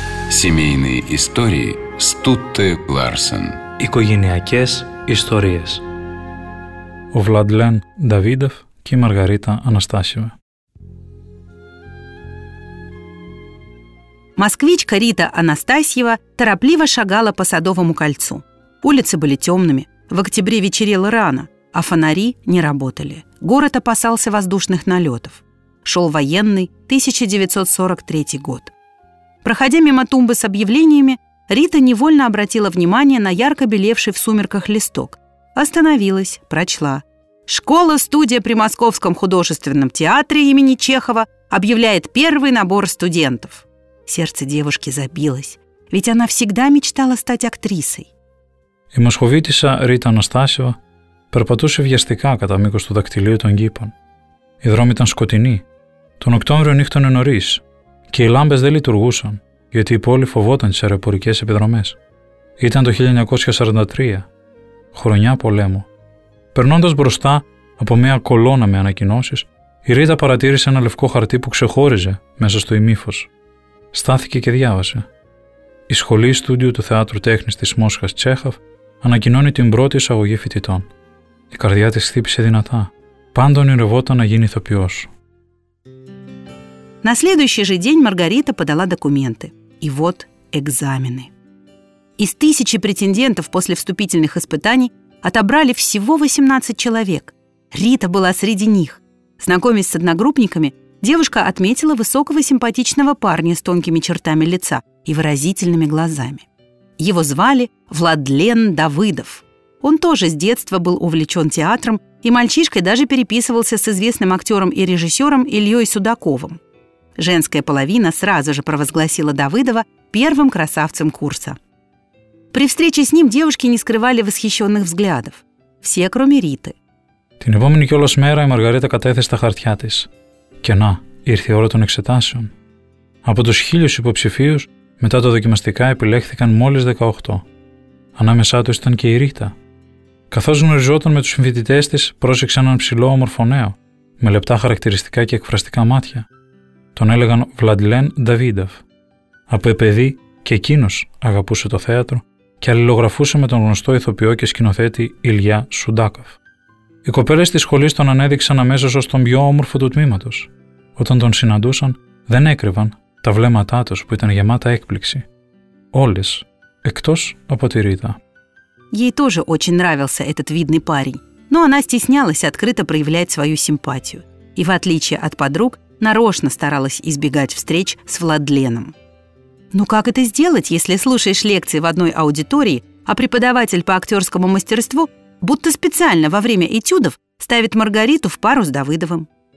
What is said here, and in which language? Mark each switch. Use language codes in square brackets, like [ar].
[ru] Семейные истории Стутте Ларсен. [el] Οικογενειακές ιστορίες. Ο Βλαντλέν Νταβίντεφ και η Μαργαρίτα Αναστάσιο. [ru] Москвичка Рита Анастасьева торопливо шагала по Садовому кольцу. Улицы были темными, в октябре вечерело рано, а фонари не работали. Город опасался воздушных налетов. Шел военный 1943 год. Проходя мимо тумбы с объявлениями, Рита невольно обратила внимание на ярко белевший в сумерках листок. Остановилась, прочла. «Школа-студия при Московском художественном театре имени Чехова объявляет первый набор студентов». Сердце девушки забилось, ведь она всегда мечтала стать актрисой. [el] Η Μοσχοβίτισσα Ρίτα Αναστάσιο περπατούσε βιαστικά κατά μήκος του δακτυλίου των κήπων. Οι δρόμοι ήταν σκοτεινοί. Τον Οκτώβριο νύχτωνε νωρίς και οι λάμπες δεν λειτουργούσαν γιατί η πόλη φοβόταν τις αεροπορικές επιδρομές. Ήταν το 1943, χρονιά πολέμου. Περνώντας μπροστά από μια κολόνα με ανακοινώσεις, η Ρίτα παρατήρησε ένα λευκό χαρτί που ξεχώριζε μέσα στο ημίφος. Στάθηκε και διάβασε. Η σχολή στούντιο του Θεάτρου Τέχνης της Μόσχας Τσέχαφ ανακοινώνει την πρώτη εισαγωγή φοιτητών. Η καρδιά της χτύπησε δυνατά. Πάντα ονειρευόταν να γίνει ηθοποιός. [ru] На следующий же день Маргарита подала документы. И вот экзамены. Из тысячи претендентов после вступительных испытаний отобрали всего 18 человек. Рита была среди них. Знакомясь с одногруппниками, девушка отметила высокого симпатичного парня с тонкими чертами лица и выразительными глазами. Его звали Владлен Давыдов. Он тоже с детства был увлечен театром и мальчишкой даже переписывался с известным актером и режиссером Ильей Судаковым. Женская половина сразу же провозгласила Давыдова первым красавцем курса. При встрече с ним девушки не скрывали восхищенных взглядов. Все, кроме Риты. [el] Την επόμενη κιόλας [ru] мэра и Маргарита [el] катέθεσε τα χαρτιά της. Και να, ήρθε η ώρα των εξετάσεων. Από τους 1000 υποψηφίους, μετά τα δοκιμαστικά επιλέχθηκαν μόλις 18. Ανάμεσά τους ήταν και η Ρίτα. Καθώς γνωριζόταν με τους συμφοιτητές της, πρόσεξε έναν ψηλό όμορφο νέο, με λεπτά χαρακτηριστικά και εκφραστικά μάτια. Τον έλεγαν Βλαντλέν Νταβίντεφ. Από παιδί και εκείνος αγαπούσε το θέατρο και αλληλογραφούσε με τον γνωστό ηθοποιό και σκηνοθέτη Ηλιά Σουντάκοφ. Οι κοπέλες της σχολής τον ανέδειξαν αμέσως ως τον πιο όμορφο του τμήματος. Όταν τον συναντούσαν, δεν έκρυβαν τα βλέμματά τους που ήταν γεμάτα έκπληξη. Όλες, εκτός από τη Ρίτα. [ru] Ей тоже очень нравился этот видный парень, но она стеснялась открыто проявлять свою симпатию. И в отличие от подруг, нарочно старалась избегать встреч с Владленом. Но как это сделать, если слушаешь лекции в одной аудитории, а преподаватель по актерскому мастерству будто специально во время этюдов ставит Маргариту в пару с Давыдовым?